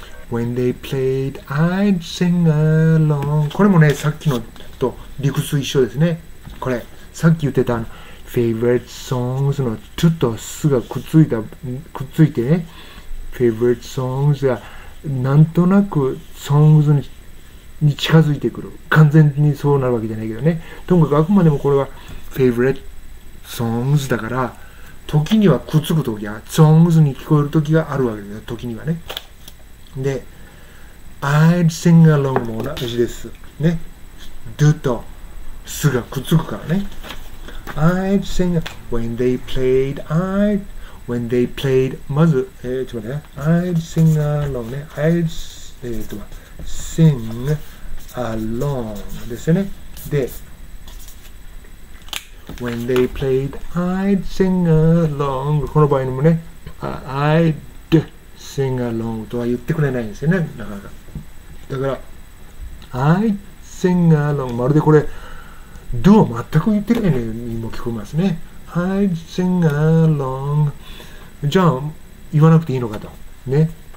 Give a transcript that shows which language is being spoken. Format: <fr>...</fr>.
<en>When they played, I'd sing along.</en> <ja>これもね、さっきのと理屈一緒ですね。これ、さっき言ってた favorite songs のちょっと素がくっついてね、favorite songs がなんとなく songs に近づいてくる。完全にそうなるわけじゃないけどね。とにかくあくまでもこれは favorite songs だから、時にはくっつくときは songs に聞こえるときがあるわけだよ、時にはね。で、 I'd sing along も同じです。ね。 do とすがくっつくからね。</ja> <en>I'd sing along when they played, I'd, when they played, まず、ちょっと待ってね。 I'd sing along ね。I'd, sing along ですね。で、when they played, I'd sing along。</en> <ja>この場合にもね、 I'd,sing along とは言ってくれないんですよね、なかなか。だから I sing along、まるでこれ do を全く言ってないようにも聞こえますね。 I sing along、じゃあ言わなくていいのかとね。</ja>